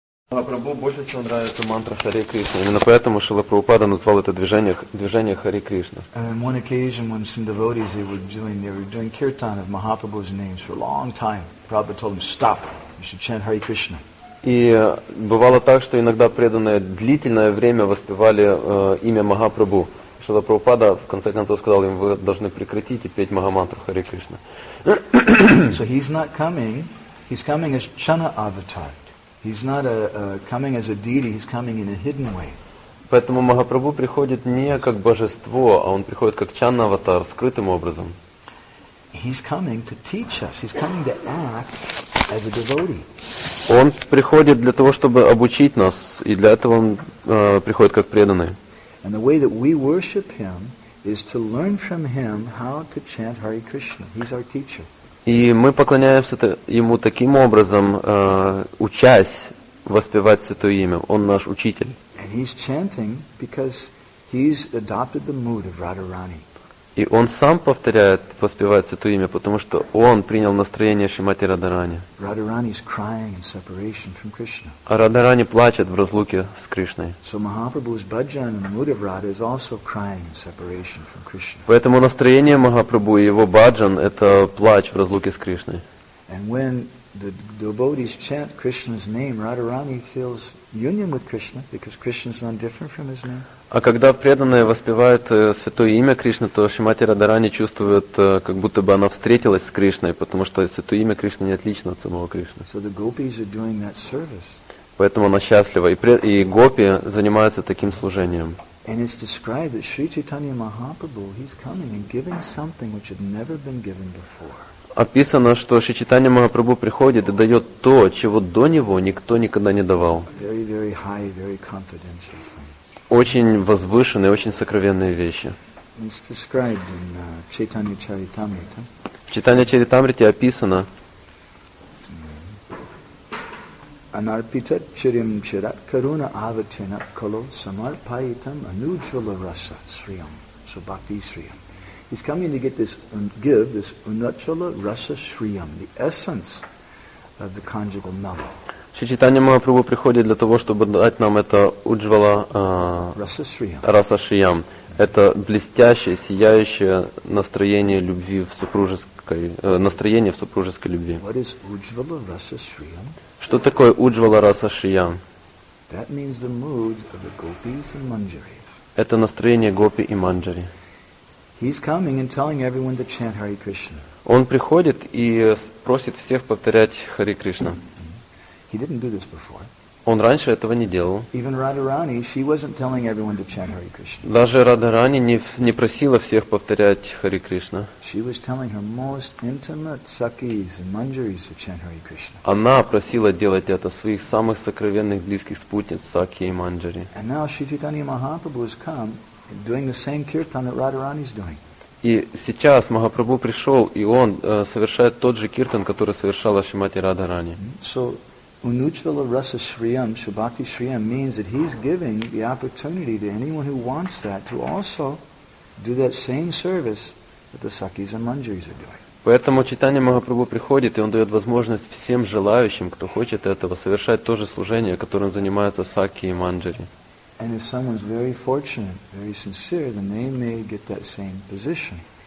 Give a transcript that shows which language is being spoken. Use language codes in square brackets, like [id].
[ru] Махапрабху больше всего нравится мантра Харе Кришна. Именно поэтому Шрила Прабхупада назвал это движение Харе Кришна. [en] One occasion when some devotees they were doing kirtan of Mahaprabhu's names for a long time, Prabhupada told them, stop, you should chant Hare Krishna. [ru] И бывало так, что иногда преданные длительное время воспевали имя Махапрабху. Шрила Прабхупада в конце концов сказал им, вы должны прекратить и петь Махамантру Харе Кришна. [en] So he's not coming. He's coming as Channa Avatar. He's not coming as a deity. He's coming in a hidden way. [ru] Поэтому Махапрабху приходит не как божество, а он приходит как Channa Avatar, скрытым образом. [en] He's coming to teach us. He's coming to act as a devotee. [ru] Он приходит для того, чтобы обучить нас, и для этого он приходит как преданный. [en] And the way that we worship him is to learn from him how to chant Hare Krishna. He's our teacher. [ru] И мы поклоняемся ему таким образом, учась воспевать Святое Имя. Он наш учитель. [en] And he's chanting because he's adopted the mood of Radharani. [ru] И он сам повторяет воспевать Святое Имя, потому что он принял настроение Шримати Радарани. [en] Radharani is crying in separation from Krishna. [ru] А Радарани плачет в разлуке с Кришной. [en] So Mahaprabhu's bhajan in the mood of Radha is also crying in separation from Krishna. [ru] Поэтому настроение Махапрабху и его бхаджан – это плач в разлуке с Кришной. [en] And when the devotees chant Krishna's name, Radharani feels union with Krishna because Krishna is not different from his name. [ru] А когда преданные воспевают Святое Имя Кришны, то Шримати Радарани чувствует, как будто бы она встретилась с Кришной, потому что Святое Имя Кришны не отлично от самого Кришны. [en] So the gopis are doing that service. [ru] Поэтому она счастлива. И гопи занимаются таким служением. [en] And it's described that Sri Chaitanya Mahaprabhu, he's coming and giving something which had never been given before. [ru] Описано, что Шри Чайтанья Махапрабху приходит и дает то, чего до него никто никогда не давал. [en] Very, very high, very confidential. [ru] Очень возвышенные, очень сокровенные вещи. [en] It's described in Chaitanya Charitamrita. [ru] В Чайтанья Чаритамрите описано. [sa] Анарпита чирим чират каруна аватина кало самарпайитам анучвала раса сриям. So бхакти сриям. [en] He's coming to get this, give this unachala rasa shriyam, the essence of the conjugal mellow. [ru] Шри Чайтанья Махапрабху приходит для того, чтобы дать нам это уджвала раса шриям. Это блестящее, сияющее настроение любви в супружеской, настроение в супружеской любви. [en] What is уджвала раса шриям? [ru] Что такое уджвала раса шриям? [en] That means the mood of the gopis and manjari. [ru] Это настроение гопи и манджари. [en] He's coming and telling everyone to chant Hare Krishna. [ru] Он приходит и просит всех повторять Хари Кришна. [en] He didn't do this before. [ru] Он раньше этого не делал. [en] Even Radharani, she wasn't telling everyone to chant Hare Krishna. [ru] Даже Радхарани не просила всех повторять Хари Кришна. [en] She was telling her most intimate sakis and manjaris to chant Hare Krishna. [ru] Она просила делать это своих самых сокровенных близких спутниц саки и манджари. [en] And now Sri Chaitanya Mahaprabhu has come. Doing the same kirtan that Radharani is doing. [ru] И сейчас Махапрабху пришел, и он совершает тот же киртан, который совершала Шримати Радхарани. [en] So, unuchvala rasa shriyam, shubhakti shriyam, means that he's giving the opportunity to anyone who wants that to also do that same service that the Sakis and Manjaris are doing. [ru] Поэтому читание Махапрабху приходит, и он дает возможность всем желающим, кто хочет этого, совершать то же служение, которым занимаются Саки и Манджари. [en] And if someone's very fortunate, very sincere, then they may get that same position.